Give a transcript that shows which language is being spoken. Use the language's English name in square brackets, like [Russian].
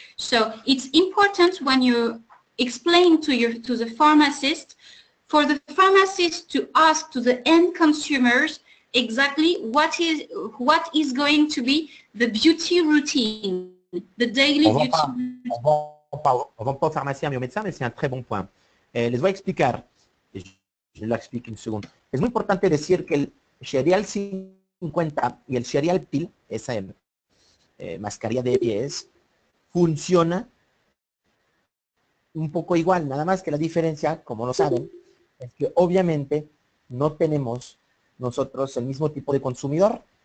[English] So it's important when you explain to your to the pharmacist, for the pharmacist to ask to the end consumers, exactly what is going to be the beauty routine, the daily beauty. [French] On va pas au pharmacien, mais au médecin, mais c'est un très bon point. [Spanish] Les voy a explicar. [French] Je l'explique une seconde. [Spanish] Es muy importante decir que el Sharial 50 y el Sharial Peel, esa mascarilla de pies, funciona un poco igual, nada más que la diferencia, como lo saben, es que obviamente no tenemos nosotros el mismo tipo de consumidor.